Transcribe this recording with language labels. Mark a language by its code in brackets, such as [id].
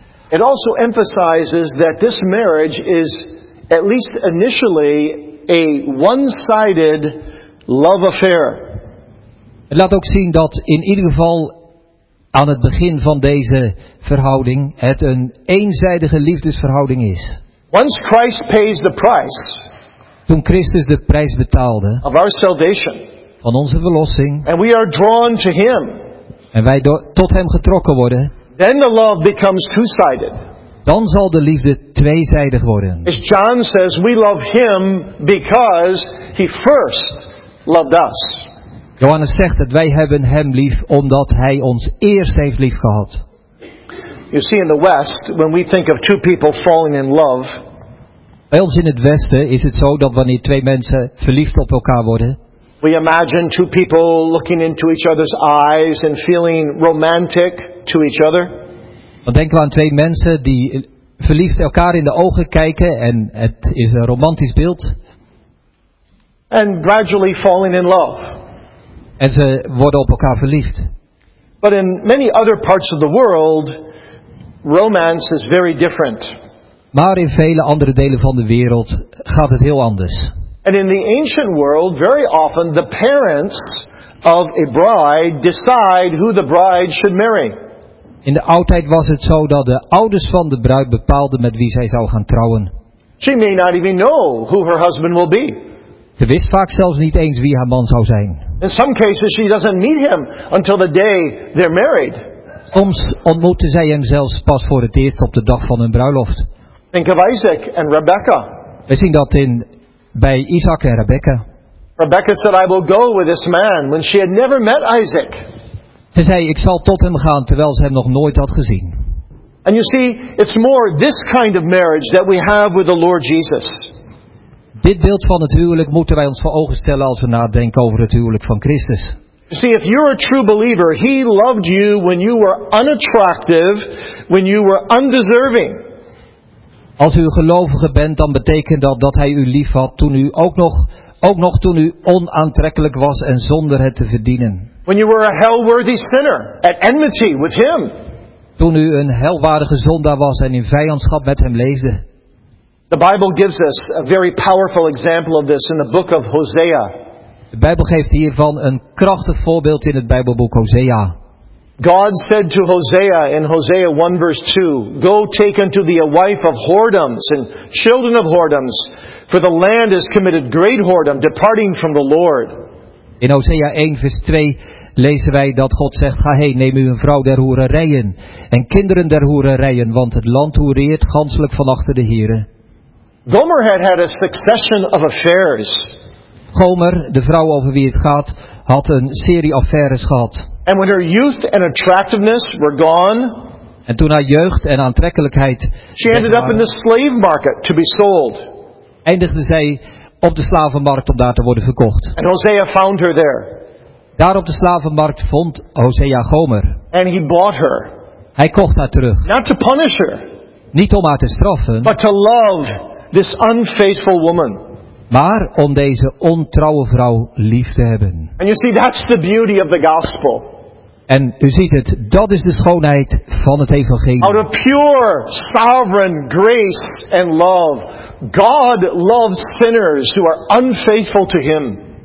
[en] It also emphasizes that this marriage is at least initially a one-sided love affair. [nl] Het laat ook zien dat in ieder geval aan het begin van deze verhouding het een eenzijdige liefdesverhouding is. [en] Once Christ pays the price, [nl] toen Christus de prijs betaalde [en] of our salvation, [nl] van onze verlossing, [en] and we are drawn to him, [nl] en wij tot hem getrokken worden, [en] then the love becomes two-sided. [nl] Dan zal de liefde tweezijdig worden. [en] As John says, we love him because he first loved us. [nl] Johannes zegt dat wij hebben hem lief omdat hij ons eerst heeft lief gehad. [en] You see, in the West, when we think of two people falling in love, [nl] bij ons in het Westen is het zo dat wanneer twee mensen verliefd op elkaar worden, [en] we imagine two people looking into each other's eyes and feeling romantic to each other. [nl] Dan denken we aan twee mensen die verliefd elkaar in de ogen kijken en het is een romantisch beeld. [en] And gradually falling in love. [nl] En ze worden op elkaar verliefd. [en] But in many other parts of the world, romance is very different. [nl] Maar in vele andere delen van de wereld gaat het heel anders. [en] And in the ancient world, very often the parents of a bride decide who the bride should marry. [nl] In de oudheid was het zo dat de ouders van de bruid bepaalden met wie zij zou gaan trouwen. [en] She may not even know who her husband will be. [nl] Ze wist vaak zelfs niet eens wie haar man zou zijn. [en] In some cases she doesn't meet him until the day they're married. [nl] Soms ontmoette zij hem zelfs pas voor het eerst op de dag van hun bruiloft. [en] Think of Isaac and Rebecca. [nl] We zien dat in bij Isaac en Rebecca. [en] Rebecca said, I will go with this man, when she had never met Isaac. [nl] Ze zei, ik zal tot hem gaan, terwijl ze hem nog nooit had gezien. [en] And you see, it's more this kind of marriage that we have with the Lord Jesus. [nl] Dit beeld van het huwelijk moeten wij ons voor ogen stellen als we nadenken over het huwelijk van Christus. [en] You see, if you're a true believer, he loved you when you were unattractive, when you were undeserving. [nl] Als u gelovige bent, dan betekent dat dat hij u lief had toen u ook nog toen u onaantrekkelijk was en zonder het te verdienen. [en] When you were a hell-worthy sinner at enmity with him. [nl] Toen u een helwaardige zondaar was en in vijandschap met hem leefde. [en] The Bible gives us a very powerful example of this in the book of Hosea. [nl] De Bijbel geeft hiervan een krachtig voorbeeld in het Bijbelboek Hosea. [en] God said to Hosea in Hosea 1 verse 2, go take unto thee a wife of whoredoms and children of whoredoms, for the land has committed great whoredom, departing from the Lord. [nl] In Hosea 1 vers 2 lezen wij dat God zegt, ga heen, neem u een vrouw der hoererijen en kinderen der hoererijen, want het land hoereert ganselijk van achter de Heere. [en] Gomer had had a succession of affairs. [nl] Gomer, de vrouw over wie het gaat, had een serie affaires gehad. [en] And when her youth and attractiveness were gone, [nl] En toen haar jeugd en aantrekkelijkheid. [en] She ended up in the slave market to be sold. [nl] Eindigde zij op de slavenmarkt om daar te worden verkocht. [en] And Hosea found her there. [nl] Daar op de slavenmarkt vond Hosea Gomer. [en] And he bought her. [nl] Hij kocht haar terug. [en] Not to punish her. [nl] Niet om haar te straffen. [en] But to love this unfaithful woman. [nl] Maar om deze ontrouwe vrouw lief te hebben. [en] And you see, that's the beauty of the gospel. [nl] En u ziet het, dat is de schoonheid van het evangelie. [en] Out of pure, sovereign grace and love, God loves sinners who are unfaithful to Him.